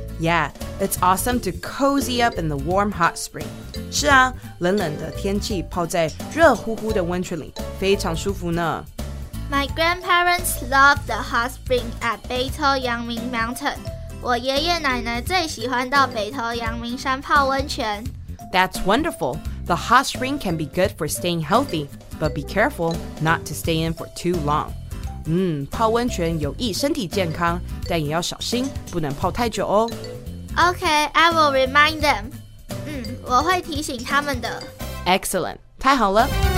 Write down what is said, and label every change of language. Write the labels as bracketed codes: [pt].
[en] Yeah, it's awesome to cozy up in the warm hot spring. [zh] 是啊，冷冷的天气泡在热乎乎的温泉里，非常舒服呢。 [en] My grandparents love the hot spring at 北投阳明 Mountain. [zh] 我爷爷奶奶最喜欢到北投阳明山泡温泉。 [en] That's wonderful. The hot spring can be good for staying healthy, but be careful not to stay in for too long. [zh] 泡温泉有益身体健康，但也要小心，不能泡太久哦。 [en] Okay, I will remind them. [zh] 我会提醒他们的。 [en] Excellent. [zh] 太好了。